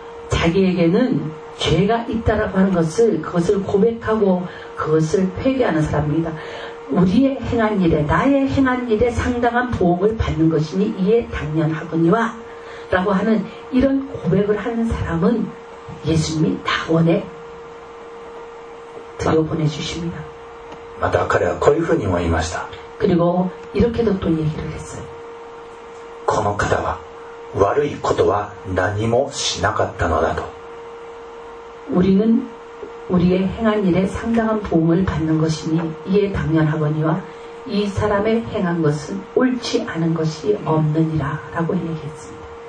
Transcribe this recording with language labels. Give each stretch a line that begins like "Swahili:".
Korean: 자기에게는죄가있다라고하는것을그것을고백하고그것을회개하는사람입니다우리의행한일에나의행한일에상당한보응을받는것이니이에당연하거니와라고하는이런고백을하는사람은예수님이낙원에들여보내주십니다
Japanese: 마다彼はこういうふうにも言いました。
Korean: 그리고이렇게도또얘기를했어요
Japanese: この方は悪いことは何もしなかったのだと。
Korean: 우리는우리의행한일에상당한보응을받는것이니이에당연하거니와이사람의행한것은옳지않은것이없느니라라고얘기했습니다